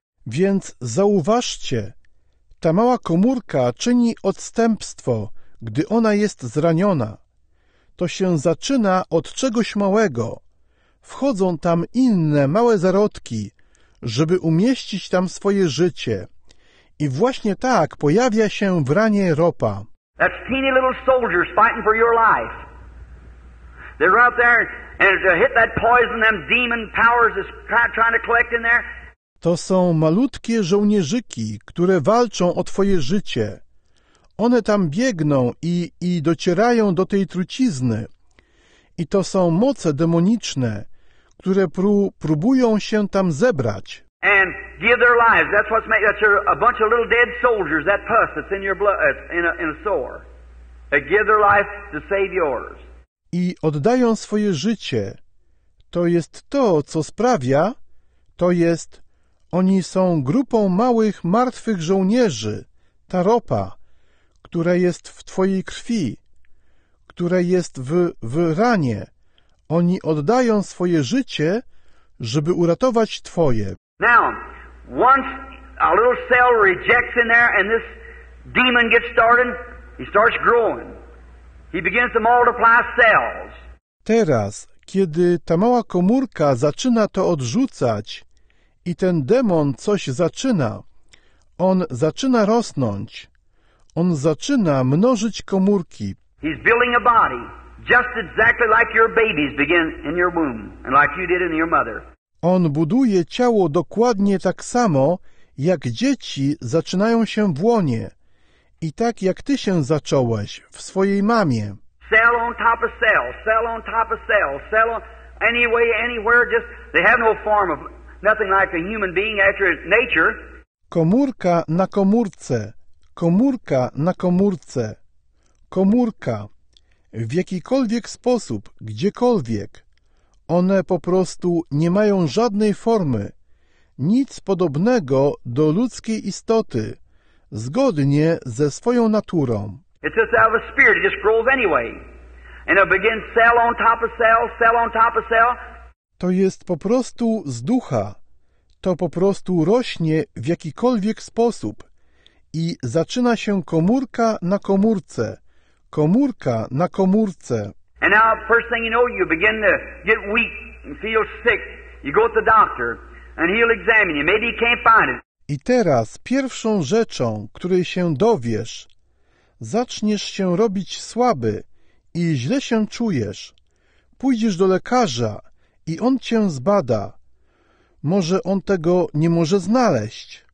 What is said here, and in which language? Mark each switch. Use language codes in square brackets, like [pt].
[pl] Więc zauważcie, ta mała komórka czyni odstępstwo, gdy ona jest zraniona. To się zaczyna od czegoś małego. Wchodzą tam inne małe zarodki, żeby umieścić tam swoje życie. I właśnie tak pojawia się w ranie ropa. [en] That's teeny little soldiers fighting for your life. They're out there and to hit that poison, them demon powers is trying to collect in there. [pl] To są malutkie żołnierzyki, które walczą o twoje życie. One tam biegną i docierają do tej trucizny. I to są moce demoniczne, które próbują się tam zebrać. [en] and give their lives. That's what's made. That's a bunch of little dead soldiers. That pus that's in your blood, in a sore. They give their life to save yours. [pl] I oddają swoje życie. To jest to, co sprawia. To jest. Oni są grupą małych martwych żołnierzy. Ta ropa, która jest w twojej krwi, która jest w ranie. Oni oddają swoje życie, żeby uratować twoje. [en] Now, once a little cell rejects in there and this demon gets started, he starts growing. He begins to multiply cells. [pl] Teraz, kiedy ta mała komórka zaczyna to odrzucać i ten demon coś zaczyna, on zaczyna rosnąć. On zaczyna mnożyć komórki. [en] He's building a body. Just exactly like your babies begin in your womb, and like you did in your mother. [pl] On buduje ciało dokładnie tak samo, jak dzieci zaczynają się w łonie, i tak jak ty się zacząłeś w swojej mamie. [en] Cell on top of cell, cell on top of cell, cell on, any way, anywhere. Just they have no form of nothing like a human being after nature. [pl] Komórka na komórce, komórka na komórce, komórka. W jakikolwiek sposób, gdziekolwiek, one po prostu nie mają żadnej formy, nic podobnego do ludzkiej istoty, zgodnie ze swoją naturą. [en] It's just out of a spirit, it just grows anyway. And it begins cell on top of cell, cell on top of cell. [pl] To jest po prostu z ducha. To po prostu rośnie w jakikolwiek sposób i zaczyna się komórka na komórce. Komórka na komórce. [en] And now, first thing you know, you begin to get weak and feel sick. You go to the doctor and he'll examine you. Maybe he can't find it. [pl] I teraz pierwszą rzeczą, której się dowiesz, zaczniesz się robić słaby i źle się czujesz. Pójdziesz do lekarza i on cię zbada. Może on tego nie może znaleźć.